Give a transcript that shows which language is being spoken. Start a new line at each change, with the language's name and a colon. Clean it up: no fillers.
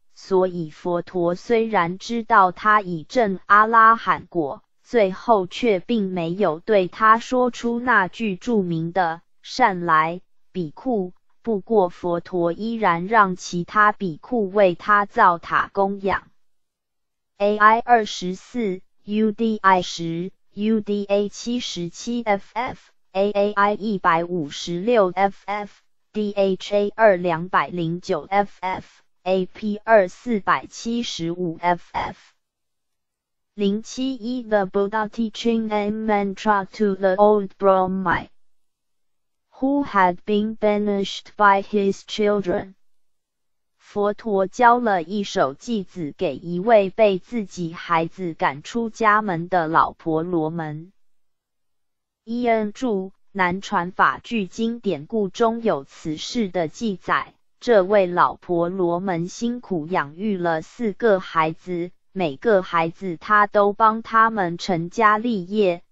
Chinese: 所以佛陀虽然知道他已证阿拉罕果，最后却并没有对他说出那句著名的“善来，比库”。不过佛陀依然让其他比库为他造塔供养。
English: AI 24 UDI 10 UDA 77FF AAI 156FF DHA 2209FFAP 2475FF 071 The Buddha teaching a mantra to the old Brahmai who had been banished by his children.
Chinese: 佛陀教了一首偈子给一位被自己孩子赶出家门的老婆罗门。伊恩著南传法句经典故中有此事的记载。这位老婆罗门辛苦养育了四个孩子，每个孩子他都帮他们成家立业。